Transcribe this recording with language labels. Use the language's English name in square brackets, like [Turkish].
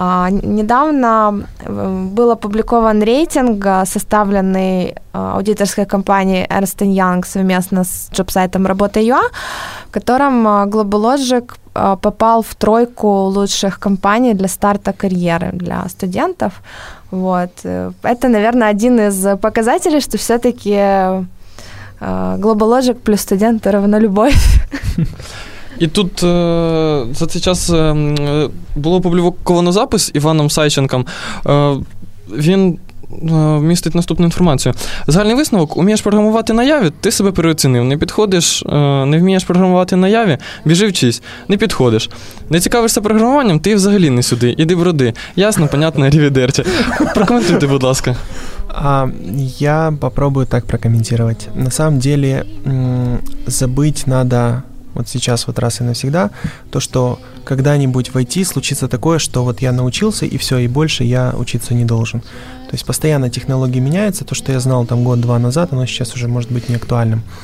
[Russian] Недавно был опубликован рейтинг, составленный аудиторской компанией Ernst & Young совместно с джобсайтом Работа.ua, в котором Globalogic попал в тройку лучших компаний для старта карьеры для студентов. Вот. Это, наверное, один из показателей, что все-таки Globalogic плюс студенты равно любовь. [Ukrainian] І тут за цей час було опубліковано запис Іваном Сайченком. Він містить наступну інформацію. Загальний висновок: умієш програмувати на Яві, ти себе переоцінив. Не підходиш, не вмієш програмувати на Яві, біжи вчись, не підходиш. Не цікавишся програмуванням, ти взагалі не сюди. Іди броди. Ясно, понятно, рівідерті. Прокоментуйте, будь ласка. Я попробую так прокоментувати. [Russian] На самом деле, забыть надо. Вот сейчас вот раз и навсегда, то, что когда-нибудь в IT случится такое, что вот я научился, и все, и больше я учиться не должен. То есть постоянно технологии меняются. То, что я знал там год-два назад, оно сейчас уже может быть не актуальным.